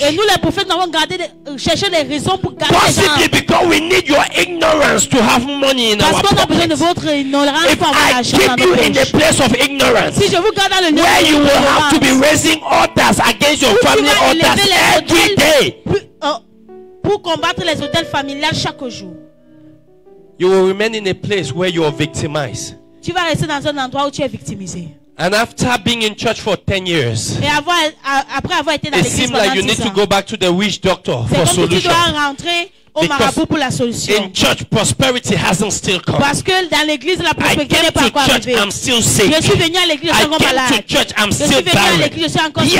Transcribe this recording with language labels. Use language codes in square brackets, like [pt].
[fr] Et nous les prophètes nous avons gardé cherché les raisons pour garder. [en] Possibly because we need your ignorance to have money in [fr] parce [en] our pocket. [fr] Parce qu'on a besoin de votre ignorance pour avoir l'argent. [en] If I keep you [fr] poche. [en] In the place of ignorance, [fr] si je vous garde dans le [en] where you will have violence, to be raising altars against your family altars every day. [fr] Pour combattre les hôtels familiales chaque jour. [en] You will remain in a place where you are victimized. [fr] Tu vas rester dans un endroit où tu es victimisé. [en] And after being in church for 10 years, it seems like you need to go back to the witch doctor for solution. Because in church, prosperity hasn't still come. [fr] Parce que dans l'église, la prospérité n'est pas encore arrivée. [en] I came to church, I'm still sick. [fr] Je suis venu à l'église, je suis encore malade. [en] I came to church, I'm still barren. [fr] Je suis venu à l'église, je suis encore stérile.